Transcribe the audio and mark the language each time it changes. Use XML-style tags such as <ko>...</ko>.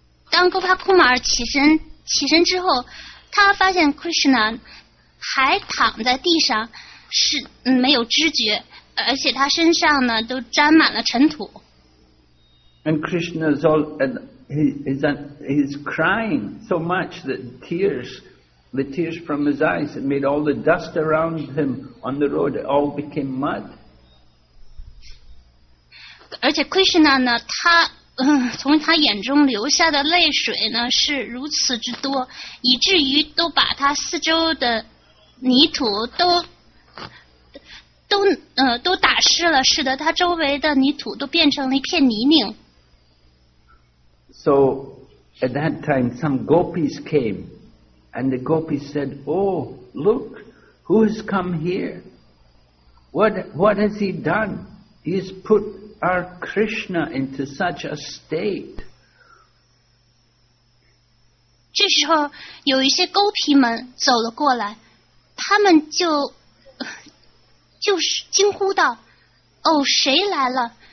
<zh>当 Gopakumar 起身之后，他发现 Krishna 还躺在地上，是没有知觉，而且他身上呢都沾满了尘土。</zh> <en>And Krishna is all, and he's crying so much that the tears from his eyes made all the dust around him on the road, it all became mud.</en> <zh>而且 Krishna 呢，他从他眼中流下的泪水呢是如此之多，以至于都把他四周的泥土都打湿了，使得他周围的泥土都变成了一片泥泞。</zh> <en>So at that time, some gopis came, and the gopis said, "Oh, look, who has come here? What has he done? He has put our Krishna into such a state."</en> <zh>这时候，有一些勾皮们走了过来，他们就是惊呼道，哦，谁来了？</zh>